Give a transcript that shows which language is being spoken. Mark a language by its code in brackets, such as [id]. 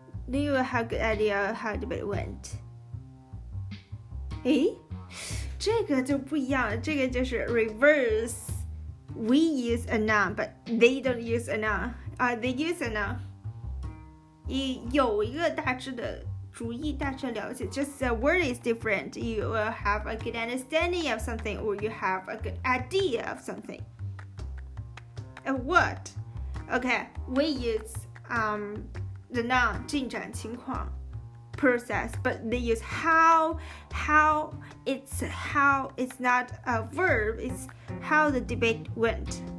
[en] Do you have a good idea of how the debate went? [zh] 诶？这个就不一样了，这个就是 reverse. [en] We use a noun, but they don't use a noun. They use a noun. [zh] 有一个大致的主意，大致了解。 [en] Just the word is different. You will have a good understanding of something, or you have a good idea of something. A word. Okay, we use the noun 进展情况 process, but they use how it's not a verb. It's how the debate went.